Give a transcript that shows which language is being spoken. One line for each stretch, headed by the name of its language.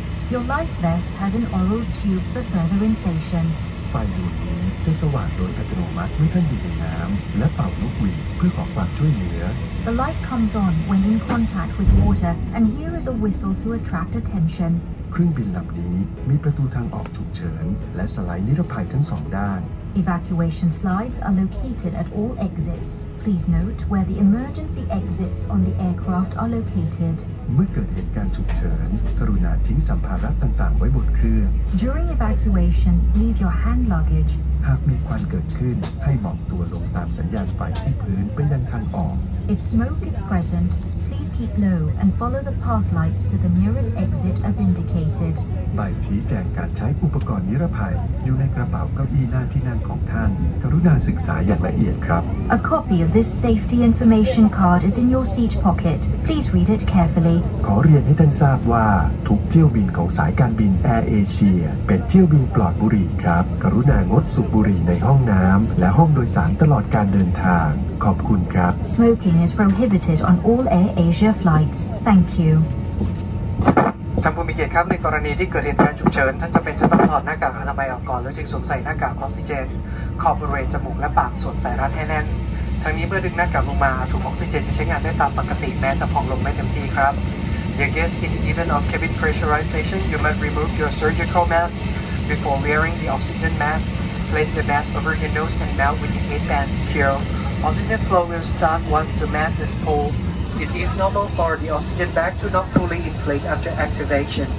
English: Your life vest has an oral tube for further inflation.
Thai: ไฟดูดนี้จะสว่างโดยอัตโนมัติเมื่อท่านอยู่ในน้ำและเป่าลูกหวีดเพื่อขอความช่วยเหลือ
English: The light comes on when in contact with water, and here is a whistle to attract attention.
Thai: เครื่องบินลำนี้มีประตูทางออกฉุกเฉินและสไลด์นิรภัยทั้งสองด้าน
English: Evacuation slides are located at all exits. Please note where the emergency exits on the aircraft are located.
Thai: เมื่อเกิดเหตุการณ์ฉุกเฉินกรุณาทิ้งสัมภาระต่างๆไว้บนเครื่อง
English: During evacuation, leave your hand luggage.
Thai: หากมีควันเกิดขึ้นให้หมอบตัวลงตามสัญญาณไฟที่พื้นไปยังทางออก
English: If smoke is present, please keep low and follow the path lights to the nearest exit as indicated.
Thai: ใบชี้แจงการใช้อุปกรณ์นิรภัยอยู่ในกระเป๋าเก้าอี้หน้าที่นั่งของท่านกรุณาศึกษาอย่างละเอียดครับ
English: A copyOf this safety information card is in your seat pocket. Please read it carefully.
Thai: ขอเรียนให้ท่านทราบว่าทุกเที่ยวบินของสายการบิน Air Asia เป็นเที่ยวบินปลอดบุหรี่ครับกรุณางดสูบบุหรี่ในห้องน้ำและห้องโดยสารตลอดการเดินทางขอบคุณครับ
English: Smoking is prohibited on all Air Asia flights. Thank you.
Thai: ท่านผู้มีเกียรติครับในกรณีที่เกิดเหตุการณ์ฉุกเฉินท่านจะเป็นจะต้องถอดหน้ากากอนามัยออกก่อนแล้วจึงสวมใส่หน้ากากออกซิเจนครอบบริเวณจมูกและปากส่วนสายรัดให้แน่นทั้งนี้เมื่อดึงหน้ากากลงมาถุงออกซิเจนจะใช้งานได้ตามปกติแม้จะพองลงไม่เต็มที่ครับ
English: Dear guests, in the event of cabin pressurization, you must remove your surgical mask before wearing the oxygen mask. Place the mask over your nose and mouth with the head band secure. Oxygen flow will start once the mask is pulled. It is normal for the oxygen bag to not fully inflate after activation.